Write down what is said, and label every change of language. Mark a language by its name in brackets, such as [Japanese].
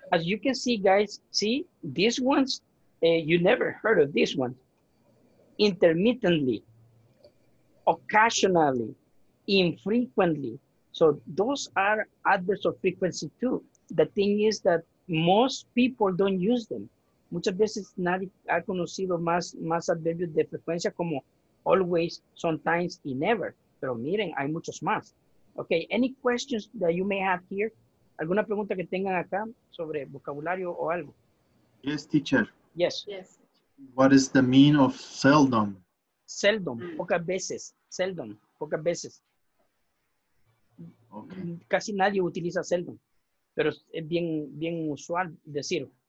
[English] As you can see, guys, see these ones, you never heard of this one. Intermittently, occasionally, infrequently. So those are adverbs of frequency too. The thing is that most people don't use them. [Spanish] Muchas veces nadie ha conocido más adverbios de frecuencia como always, sometimes, y never. Pero miren, hay muchos más. [English] Okay, any questions that you may have here? [Spanish] ¿Alguna pregunta que tengan acá sobre vocabulario o algo? [English] Yes, teacher. Yes. Yes. What is the mean of seldom? [Spanish] Seldom, pocas veces. Seldom, pocas veces. [English] Okay. [Spanish] Casi nadie utiliza seldom. Pero es bien, bien usual decir.